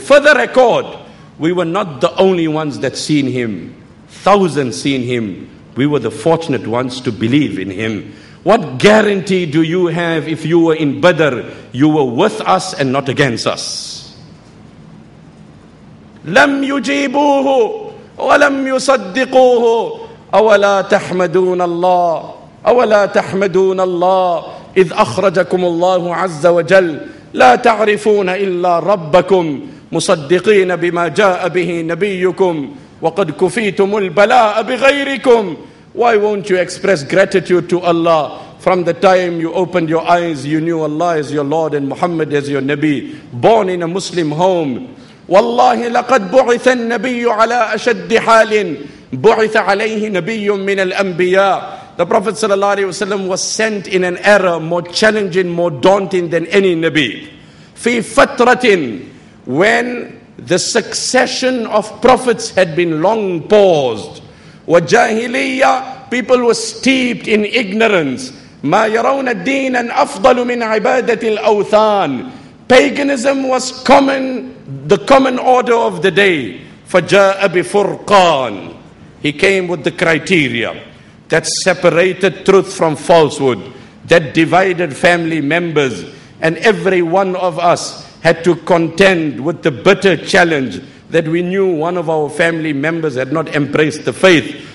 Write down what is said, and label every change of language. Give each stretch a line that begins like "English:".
English: For the record, we were not the only ones that seen him. Thousands seen him. We were the fortunate ones to believe in him. What guarantee do you have if you were in Badr, you were with us and not against us?
Arabic: لم يجيبوه ولم يصدقوه أولا تحمدون الله أولا تحمدون الله إذ أخرجكم الله عز وجل لا تعرفون إلا ربكم مصدقين بما جاء به نبيكم وقد كفيتم البلاء بغيركم.
English: Why won't you express gratitude to Allah? From the time you opened your eyes, you knew Allah is your Lord and Muhammad is your Nabi. Born in a Muslim home.
Arabic: والله لقد بعث النبي على أشد حال بعث عليه نبي من الأنبياء.
English: The Prophet sallallahu alaihi wasallam was sent in an era more challenging, more daunting than any Nabi.
Arabic: في فترة,
English: when the succession of prophets had been long paused.
Arabic: وجاهلية,
English: people were steeped in ignorance.
Arabic: ما يرون الدين أفضل من عبادة الأوثان.
English: Paganism was common, the common order of the day.
Arabic: فَجَاءَ بِفُرْقَانِ.
English: He came with the criteria that separated truth from falsehood, that divided family members, and every one of us had to contend with the bitter challenge that we knew one of our family members had not embraced the faith.